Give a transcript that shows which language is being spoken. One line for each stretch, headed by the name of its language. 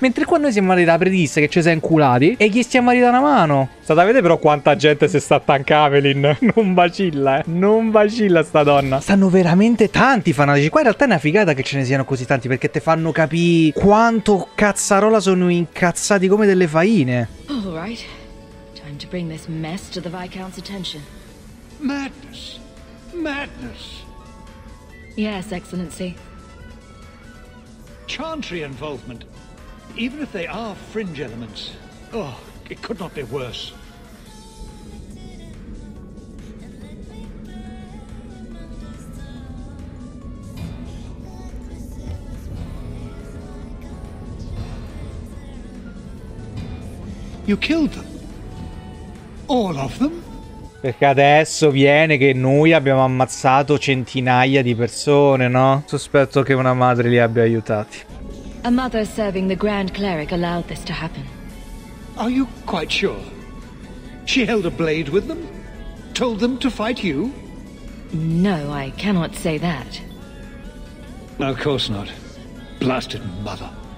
Italian: Mentre qua noi siamo arrivati da predisse che ci siamo inculati e gli stiamo arrivati una mano. State a vedere però quanta gente si sta attaccando, Evelyn. Non vacilla, eh. Non vacilla sta donna. Stanno veramente tanti fanatici. Qua in realtà è una figata che ce ne siano così tanti, perché te fanno capire quanto cazzarola sono incazzati come delle faine.
English: All right. To bring this mess to the Viscount's attention. Madness! Madness! Yes, Excellency. Chantry involvement. Even if they are fringe elements, oh, it could not be worse. You killed them. All of them?
Italian: Perché adesso viene che noi abbiamo ammazzato centinaia di persone, no? Sospetto che una madre li abbia aiutati.
English: A mother serving the Grand Cleric allowed this to happen. Are you quite sure? She held a blade with them? Told them to fight you? No, I cannot say that. Of course not. Blasted mother.